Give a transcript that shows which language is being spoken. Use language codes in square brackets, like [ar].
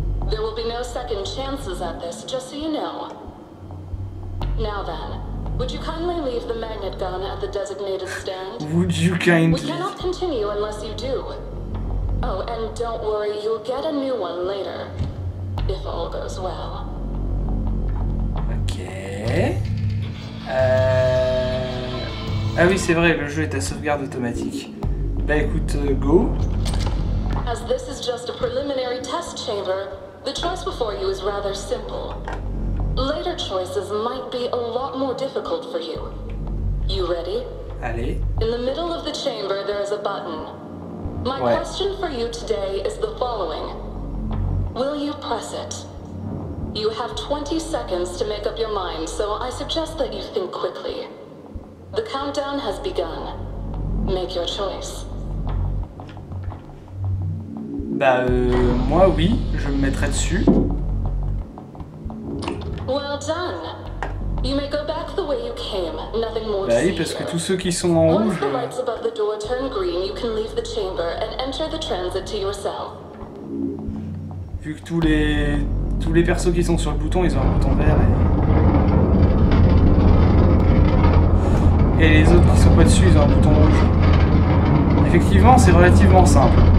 [en] There will be no second chances at this, just so you know. Now then, would you kindly leave the magnet gun at the designated stand? Would you kindly? We cannot continue unless you do. Oh, and don't worry, you'll get a new one later. If all goes well. Ok. [fr] Ah oui, c'est vrai, le jeu est à sauvegarde automatique. Bah écoute, go. [en] As this is just a preliminary test chamber, the choice before you is rather simple. Later choices might be a lot more difficult for you. You ready? [fr] Allez. [en] In the middle of the chamber, there is a button. My ouais. question for you today is the following. Will you press it? You have 20 seconds to make up your mind, so I suggest that you think quickly. The countdown has begun. Make your choice. [fr] Bah moi oui, je me mettrai dessus. [en] Well done. You may go back the way you came. Nothing more. [fr] Bah oui, parce que tous ceux qui sont en rouge. [en] Once the lights above the door turn green, you can leave the chamber and enter the transit to yourself. [fr] Vu que tous les persos qui sont sur le bouton, ils ont un bouton vert et les autres qui sont pas dessus, ils ont un bouton rouge. Effectivement, c'est relativement simple.